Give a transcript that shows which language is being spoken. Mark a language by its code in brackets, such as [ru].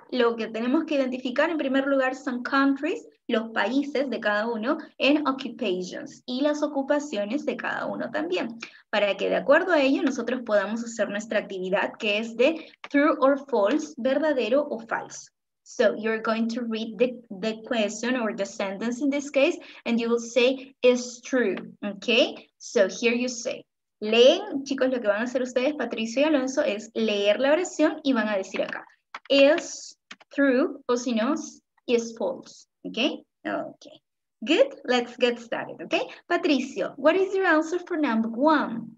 [es] Lo que tenemos que identificar en primer lugar son countries, los países de cada uno, en occupations, y las ocupaciones de cada uno también, para que de acuerdo a ello nosotros podamos hacer nuestra actividad, que es de true or false, verdadero o falso. [en] So you're going to read the question or the sentence in this case, and you will say it's true, okay? So here you say. [es] Leen, chicos, lo que van a hacer ustedes, Patricio y Alonso, es leer la oración y van a decir acá, [en] is true, [es] o si no, [en] is false. Okay? Okay. Good, let's get started, okay? Patricio, what is your answer for number one?